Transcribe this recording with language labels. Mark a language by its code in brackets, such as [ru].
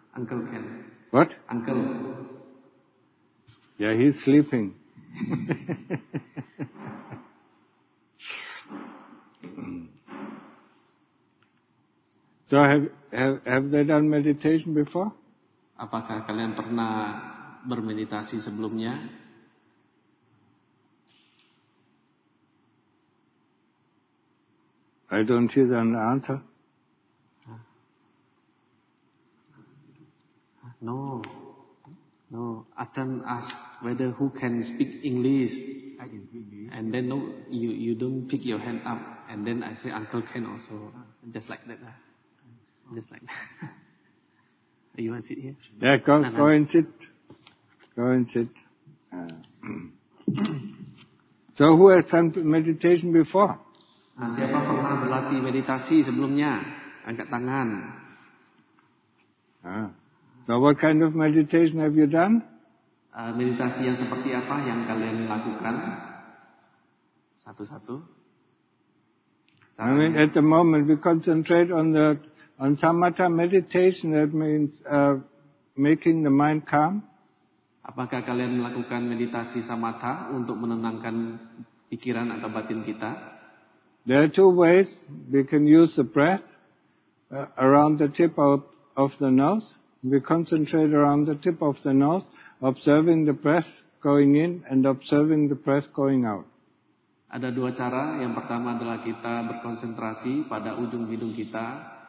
[en] Uncle can. What? Uncle. Yeah, he's sleeping. So have they done meditation before? [id] Apakah kalian pernah bermeditasi sebelumnya? [en] I don't see an answer. No. No. Achan asked whether who can speak English. I can speak English. And then no, you don't pick your hand up. And then I say Uncle can also. Just like that. Just like that. You want to sit here? Yeah, go and sit. Go and sit. So who has done meditation before? [id] Siapa pernah berlatih meditasi sebelumnya? Angkat tangan. [en] So what kind of meditation have you done? [id] Meditasi yang seperti apa yang kalian lakukan? Satu-satu. Caranya. [en] I mean, at the moment we concentrate on samatha meditation. That means making the mind calm. [id] Apakah kalian melakukan meditasi samatha untuk menenangkan pikiran atau batin kita? [en] There are two ways we can use the breath around the tip of the nose. We concentrate around the tip of the nose, observing the breath going in and observing the breath going out. [id] Ada dua cara. Yang pertama adalah kita berkonsentrasi pada ujung hidung kita.